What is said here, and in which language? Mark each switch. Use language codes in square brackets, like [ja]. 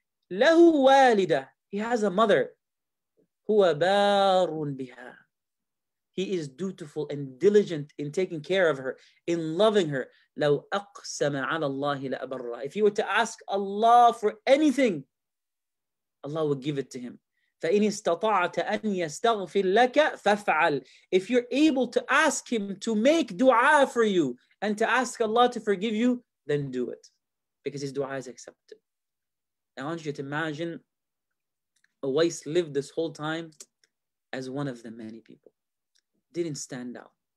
[ar] لَهُ وَالِدَةً. [en] He has a mother. [ar] هُوَ بَارٌ بِهَا. [en] He is dutiful and diligent in taking care of her, in loving her. [ar] لو أقسم على الله لأبره. [en] If he were to ask Allah for anything, Allah would give it to him. [ar] فإن استطعت أن يستغفر لك فافعل. [en] If you're able to ask him to make dua for you and to ask Allah to forgive you, then do it. Because his dua is accepted. I want you to imagine Uwais lived this whole time as one of the many people. Didn't stand out.